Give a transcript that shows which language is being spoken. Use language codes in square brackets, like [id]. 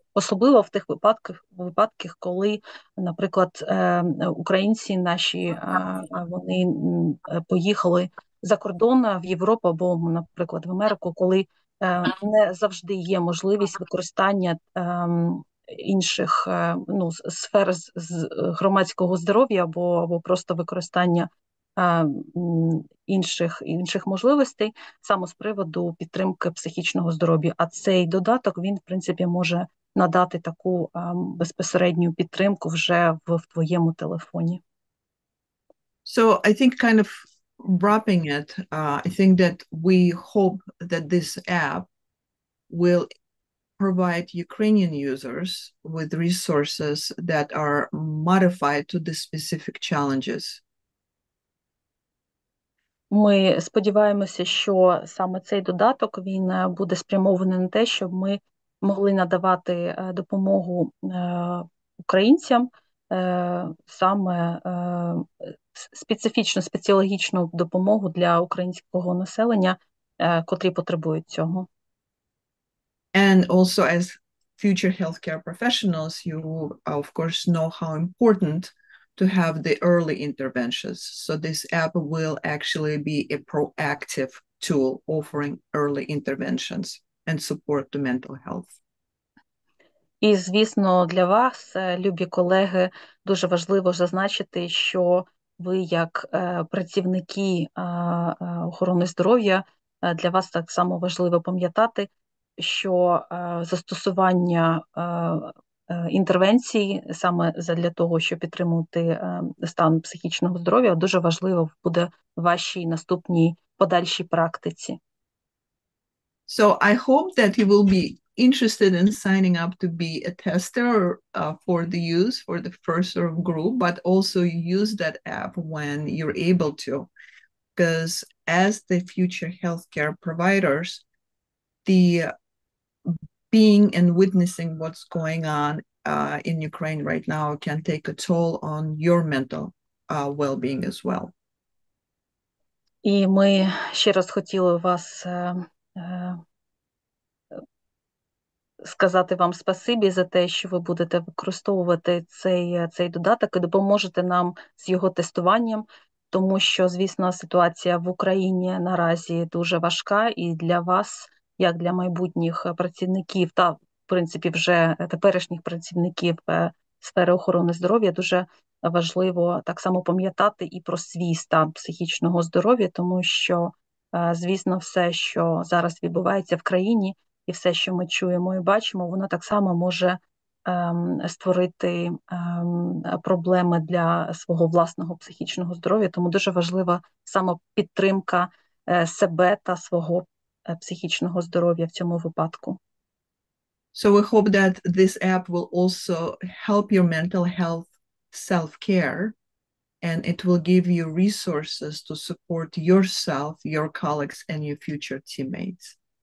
[uk] Особливо в тих випадках, коли, наприклад, українці наші, вони поїхали за кордон в Європу або, наприклад, в Америку, коли не завжди є можливість використання інших, ну, сфер з громадського здоров'я або просто використання інших можливостей саме з приводу підтримки психічного здоров'я. А цей додаток, він, в принципі, може надати таку безпосередню підтримку вже в твоєму телефоні. [en] So I think kind of wrapping it, I think that we hope that this app will provide Ukrainian users with resources that are modified to the specific challenges. [uk] Ми сподіваємося, що саме цей додаток, він буде спрямований на те, щоб ми могли надавати допомогу українцям, саме специфічну, спеціологічну допомогу для українського населення, котрі потребують цього. [en] And also as future healthcare professionals, you of course know how important to have the early interventions. So this app will actually be a proactive tool offering early interventions and support to mental health. [uk] І, звісно, для вас, любі колеги, дуже важливо зазначити, що ви як працівники охорони здоров'я, для вас так само важливо пам'ятати, що застосування інтервенції саме для того, щоб підтримувати стан психічного здоров'я, дуже важливо буде в вашій наступній подальшій практиці. [en] So I hope that you will be interested in signing up to be a tester for the use for the first sort of group, but also use that app when you're able to, because as the future healthcare providers, the being and witnessing what's going on in Ukraine right now can take a toll on your mental well-being as well. [uk] І ми ще раз хотіли вас сказати вам спасибі за те, що ви будете використовувати цей додаток і допоможете нам з його тестуванням, тому що, звісно, ситуація в Україні наразі дуже важка і для вас, як для майбутніх працівників та, в принципі, вже теперішніх працівників сфери охорони здоров'я, дуже важливо так само пам'ятати і про свій стан психічного здоров'я, тому що, звісно, все, що зараз відбувається в країні, і все, що ми чуємо і бачимо, воно так само може створити проблеми для свого власного психічного здоров'я. Тому дуже важлива самопідтримка себе та свого психічного здоров'я в цьому випадку. [en] So we hope that this app will also help your mental health self-care, and it will give you resources to support yourself, your colleagues, and your future teammates.